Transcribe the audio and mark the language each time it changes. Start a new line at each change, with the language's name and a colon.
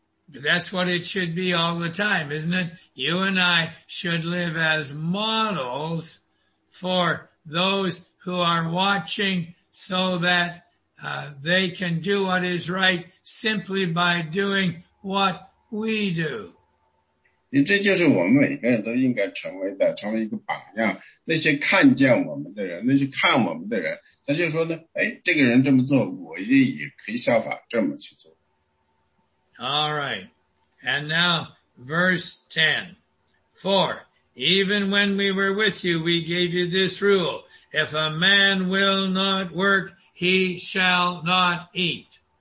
English: But that's what it should be all the time, isn't it? You and I should live as models for those who are watching so that they can do what is right simply by doing what we do.
Chinese: 这就是我们每个人都应该成为的,成为一个榜样,那些看见我们的人,那些看我们的人,他就说呢,哎,这个人这么做,我也可以效法这么去做。
English: All right, and now verse 10. For even when we were with you, we gave you this rule. If a man will not work, he shall not eat.